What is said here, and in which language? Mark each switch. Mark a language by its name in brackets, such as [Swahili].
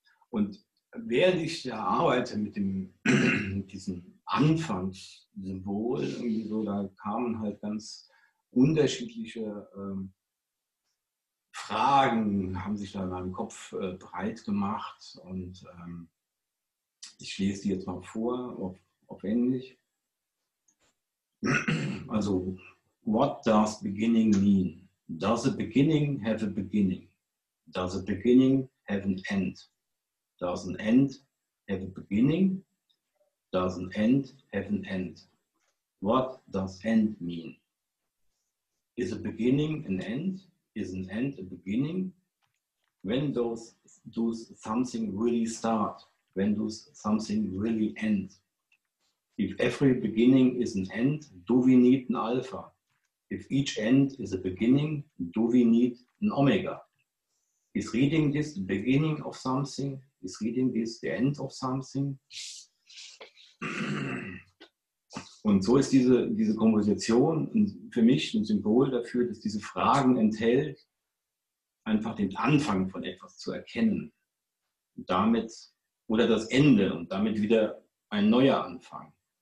[German] Und während ich da arbeite mit diesem Anfangssymbol, irgendwie so, da kamen halt ganz unterschiedliche Fragen, haben sich da in meinem Kopf breit gemacht und ich lese die jetzt mal vor, auf Englisch. [English] Also, what does beginning mean? Does a beginning have a beginning? Does a beginning have an end? Does an end have a beginning? Does an end have an end? What does end mean? Is a beginning an end? Is an end a beginning? When does something really start? When does something really end? If every beginning is an end, do we need an alpha? If each end is a beginning, do we need an omega? Is reading this the beginning of something? Is reading this the end of something? [German] Und so ist diese Komposition für mich ein Symbol dafür, dass diese Fragen enthält, einfach den Anfang von etwas zu erkennen. Und damit, oder das Ende und damit wieder ein neuer Anfang.